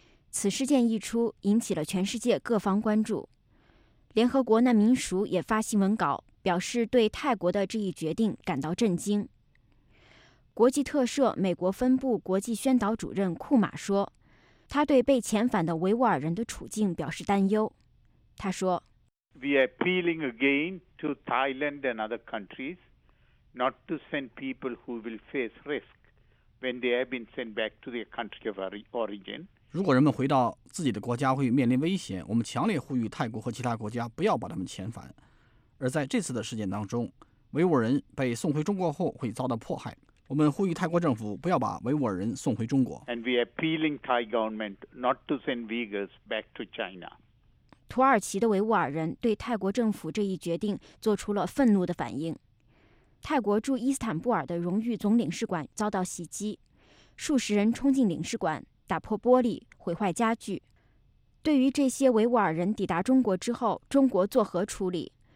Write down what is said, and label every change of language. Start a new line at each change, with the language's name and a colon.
Chinese: 此事件一出，引起了全世界各方关注。联合国难民署也发新闻稿表示，对泰国的这一决定感到震惊。国际特赦美国分部国际宣导主任库马说，他对被遣返的维吾尔人的处境表示担忧。他说，
English: We are appealing again to Thailand and other countries not to send people who will face risk when they have been sent back to their country of origin.
Chinese: 如果人们回到自己的国家会面临危险，我们强烈呼吁泰国和其他国家不要把他们遣返。而在这次的事件当中，维吾尔人被送回中国后会遭到迫害。我们呼吁泰国政府不要把维吾尔人送回中国。
English: And we are appealing Thai government not to send Uyghurs back to China.
Chinese: 土耳其的维吾尔人对泰国政府这一决定做出了愤怒的反应。泰国驻伊斯坦布尔的荣誉总领事馆遭到袭击，数十人冲进领事馆，打破玻璃，毁坏家具。对于这些维吾尔人抵达中国之后，中国作何处理？